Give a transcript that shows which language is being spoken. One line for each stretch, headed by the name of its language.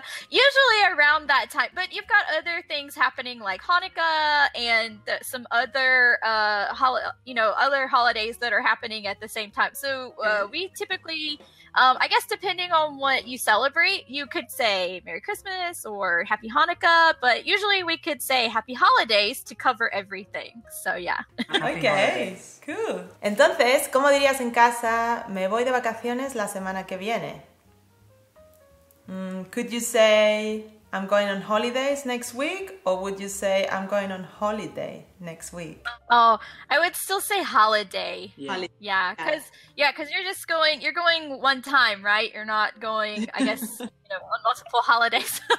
English: Usually around that time, but you've got other things happening like Hanukkah and some other other holidays that are happening at the same time. So we typically, I guess depending on what you celebrate, you could say Merry Christmas or Happy Hanukkah, but usually we could say Happy Holidays to cover everything. So yeah. Okay, cool.
Spanish: Entonces, ¿cómo dirías en casa, me voy de vacaciones la semana que viene?
English: Could you say, I'm going on holidays next week? Or would you say, I'm going on holiday next week? Oh, I would still say holiday. Yeah, because you're just going, you're going one time, right? You're not going, I guess, you know, on multiple holidays.